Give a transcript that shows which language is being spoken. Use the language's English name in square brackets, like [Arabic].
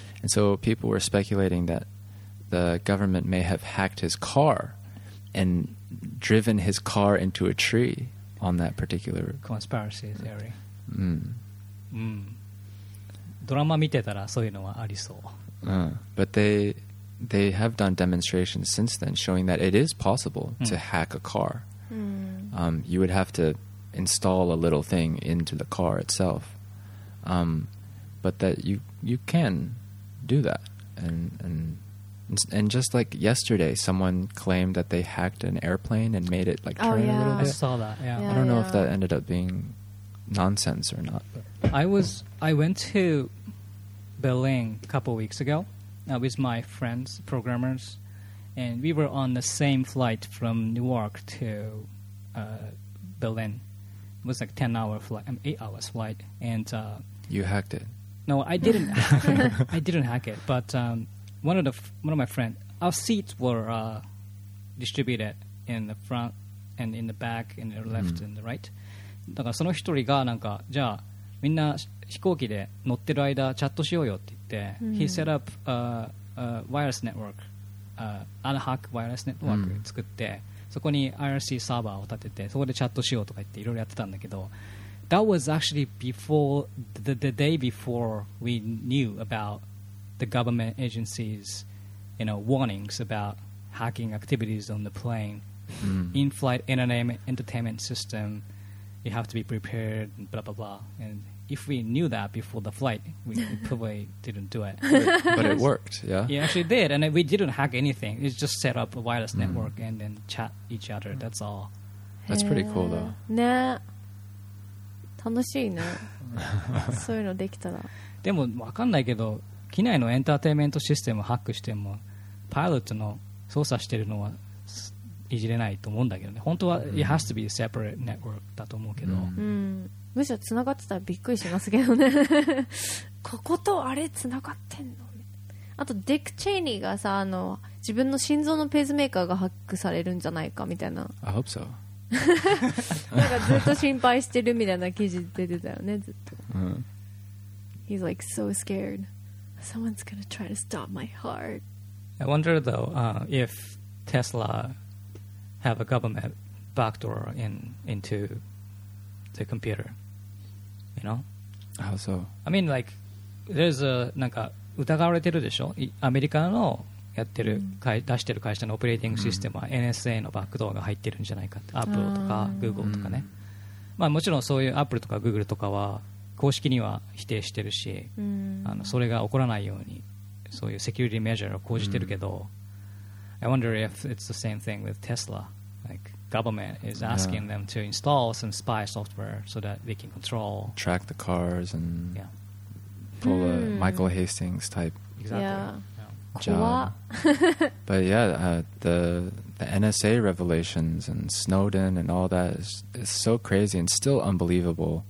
[English] And so people were speculating that the government may have hacked his car and driven his car into a tree on that particular... Conspiracy theory. [Japanese] ドラマ見てたらそういうのはありそう。 [English] But they have done demonstrations since then showing that it is possible to hack a car. You would have to install a little thing into the car itself. But that you can do that. And just like yesterday, someone claimed that they hacked an airplane and made it like turn a little bit. I saw that, yeah. I don't know if that ended up being nonsense or not. I went to Berlin a couple weeks ago. With my friends, programmers, and we were on the same flight from Newark to Berlin. It was like 10-hour flight, 8 hours flight. And you hacked it? No, I didn't. I didn't hack it. But one of my friends, our seats were distribute it in the front and in the back and the left、mm. and the right. [Japanese] だからその一人がなんかじゃあみんな飛行機で乗ってる間チャットしようよって言って、mm. [English] he set up a wireless network, ad hoc wireless network、mm. [Japanese] 作ってそこに IRC サーバーを立ててそこでチャットしようとか言っていろいろやってたんだけど [English] That was actually before the day before we knew about the government agencies, you know, warnings about hacking activities on the plane、mm. in-flight entertainment system you have to be prepared and blah blah blah and if we knew that before the flight we probably didn't do it but it worked yeah it actually did and we didn't hack anything it's just set up a wireless、mm. network and then chat each other、mm. that's all that's pretty cool though [Japanese] ね楽しいねそういうのできたらでも分かんないけど機内のエンターテインメントシステムをハックしてもパイロットの操作してるのはいじれないと思うんだけどね本当は、mm. [English] it has to be a separate network [Japanese] だと思うけど、 mm. むしろつながってたらびっくりしますけどねこことあれつながってんのあとディック・チェイニーがさあの自分の心臓のペースメーカーがハックされるんじゃないかみたいな [English] I hope so [Japanese] なんかずっと心配してるみたいな記事出てたよねずっと、 mm. [English] He's like so scared Someone's gonna try to stop my heart I wonder though、if Tesla have a government backdoor into the computer, you know? How so? I mean, like, there's a, [Japanese] なんか疑われてるでしょ? アメリカのやってる、mm. 出してる会社のオペレーティングシステムは NSA のバックドアが入ってるんじゃないかって、mm. Apple とか Google とかね。Mm. まあもちろんそういう Apple とか Google とかは公式には否定してるし、 mm. あのそれが起こらないようにそういうセキュリティメジャーを講じてるけど、mm. [English] I wonder if it's the same thing with Tesla. Like, government is asking、yeah. them to install some spy software so that they can control. Track the cars and、 yeah. pull、hmm. a Michael Hastings type、 exactly. yeah. job. But yeah, the NSA revelations and Snowden and all that is so crazy and still unbelievable、